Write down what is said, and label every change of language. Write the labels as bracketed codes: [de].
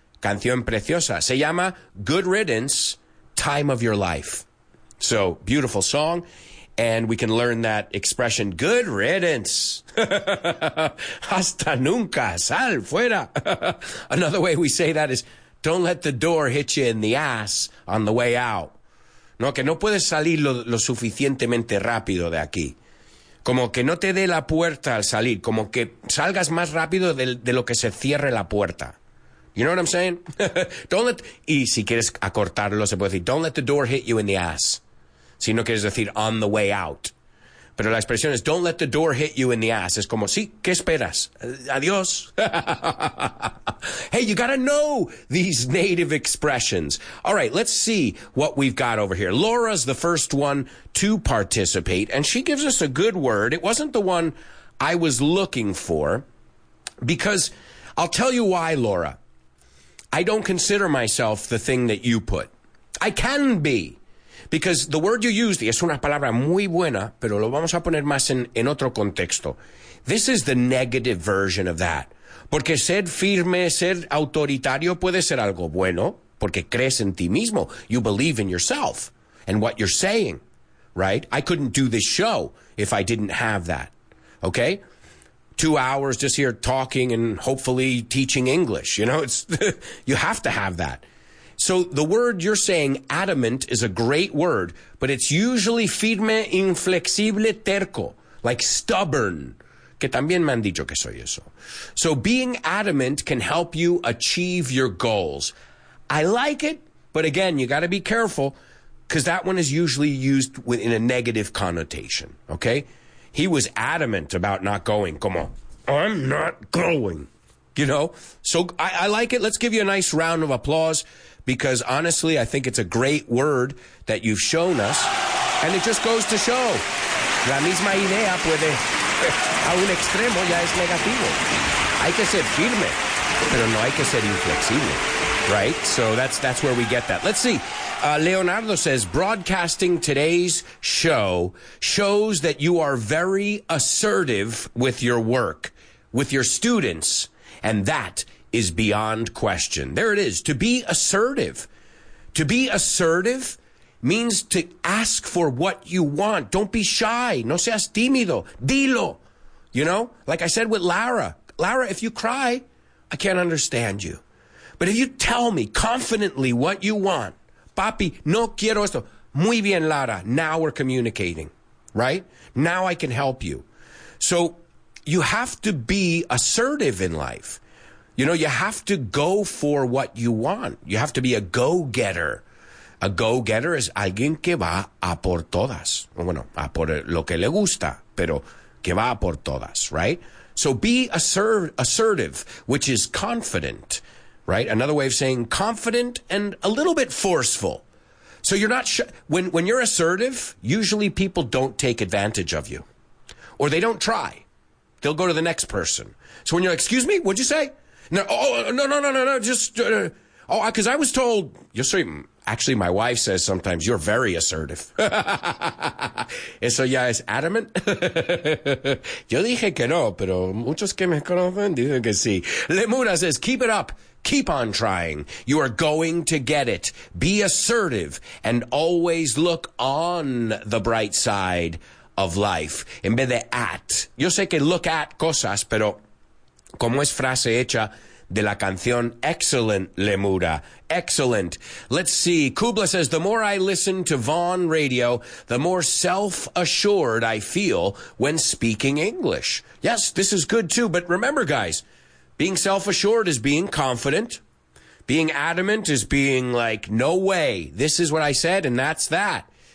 [es] Canción preciosa. Se llama Good Riddance, Time of Your Life. [en] So, beautiful song. And we can learn that expression, good riddance. [es] Hasta nunca, sal fuera. [en] Another way we say that is, don't let the door hit you in the ass on the way out. [es] No, que no puedes salir lo suficientemente rápido de aquí. Como que no te dé la puerta al salir. Como que salgas más rápido de lo que se cierre la puerta. [en] You know what I'm saying? Don't let, [es] y si quieres acortarlo, se puede decir, [en] don't let the door hit you in the ass. [es] Si no quieres decir, [en] on the way out. [es] Pero la expresión es, [en] don't let the door hit you in the ass. [es] Es como, sí, ¿qué esperas? Adiós. [en] Hey, you gotta know these native expressions. All right, let's see what we've got over here. Laura's the first one to participate, and she gives us a good word. It wasn't the one I was looking for, because I'll tell you why, Laura. I don't consider myself the thing that you put. I can be. Because the word you used [es] es una palabra muy buena, pero lo vamos a poner más en otro contexto. [en] This is the negative version of that. [es] Porque ser firme, ser autoritario puede ser algo bueno, porque crees en ti mismo. [en] You believe in yourself and what you're saying, right? I couldn't do this show if I didn't have that, okay? 2 hours just here talking and hopefully teaching English, you know? It's you have to have that. So the word you're saying, adamant, is a great word, but it's usually firme, inflexible, terco, like stubborn. [es] Que también me han dicho que soy eso. [en] So being adamant can help you achieve your goals. I like it, but again, you got to be careful, because that one is usually used in a negative connotation, okay? He was adamant about not going. Come on. I'm not going, you know? So I like it. Let's give you a nice round of applause. Because honestly, I think it's a great word that you've shown us. And it just goes to show. [es] La misma idea puede a un extremo ya es negativo. Hay que ser firme, pero no hay que ser inflexible. [en] Right? So that's where we get that. Let's see. Leonardo says, broadcasting today's show shows that you are very assertive with your work, with your students, and that is beyond question. There it is. To be assertive. To be assertive means to ask for what you want. Don't be shy. [es] No seas tímido. Dilo. [en] You know, like I said with Lara. Lara, if you cry, I can't understand you. But if you tell me confidently what you want, [es] papi, no quiero esto. Muy bien, [en] Lara. Now we're communicating, right? Now I can help you. So you have to be assertive in life. You know, you have to go for what you want. You have to be a go-getter. A go-getter is [es] alguien que va a por todas. Bueno, a por lo que le gusta, pero que va a por todas, right? [en] So be assertive, which is confident, right? Another way of saying confident and a little bit forceful. So you're not when you're assertive, usually people don't take advantage of you. Or they don't try. They'll go to the next person. So when you're like, excuse me, what'd you say? Because I was told, you see, actually my wife says sometimes, you're very assertive. [es] Eso ya es adamant. Yo dije que no, pero muchos que me conocen dicen que sí. [en] Lemura says, keep it up. Keep on trying. You are going to get it. Be assertive and always look on the bright side of life, [es] en vez de at. Yo sé que [en] look at [es] cosas, pero como es frase hecha de la canción Excellent Lemura. [en] Excellent. Let's see. Kubla says, the more I listen to Vaughn Radio, the more self-assured I feel when speaking English. Yes, this is good too. But remember, guys, being self-assured is being confident. Being adamant is being like, no way. This is what I said, and that's that.